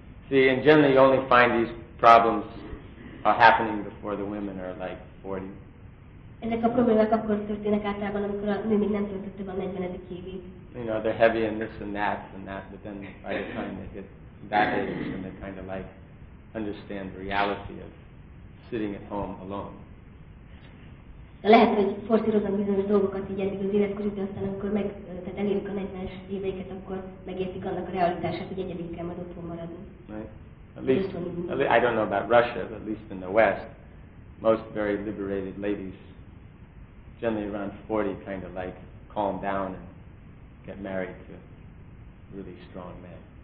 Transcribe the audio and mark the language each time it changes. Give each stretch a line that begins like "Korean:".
English: See, and generally you only find these problems are happening before the women are like 40.
Hungarian: Ezek a problémák akkor történnek általában, amikor a nő még nem töltötte be a 40. évét.
English: You know, they're heavy and this and that, but then by the time they get that age, then they kind of like understand the reality of sitting at home alone.
Hungarian: De lehet, hogy forszírozom bizonyos dolgokat így eddig az életkorig, de aztán amikor tehát elérik a 40-es éveiket, akkor megértik annak a realitását, hogy egyedül kell majd otthon maradni.
English: Right. At least, I don't know about Russia, but at least in the West, most very liberated ladies generally around 40, kind of like calm down and get married to really strong men.